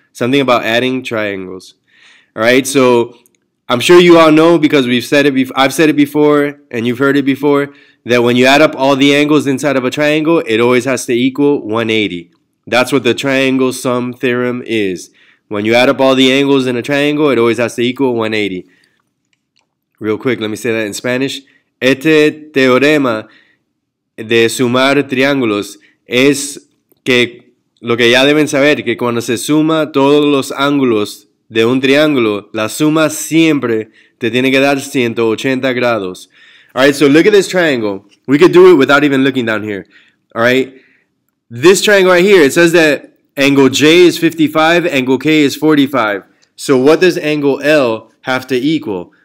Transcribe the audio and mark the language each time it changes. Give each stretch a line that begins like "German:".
English: Something about adding triangles. All right, so I'm sure you all know, because we've said it, I've said it before, and you've heard it before, that when you add up all the angles inside of a triangle, it always has to equal 180. That's what the triangle sum theorem is. When you add up all the angles in a triangle, it always has to equal 180. Real quick, let me say that in Spanish.
Spanish: Este teorema de sumar triángulos es que lo que ya deben saber, que cuando se suma todos los ángulos de un triángulo, la suma siempre te tiene que dar 180 grados.
English: All right, so look at this triangle. We could do it without even looking down here. All right, this triangle right here, it says that angle J is 55, angle K is 45. So what does angle L have to equal?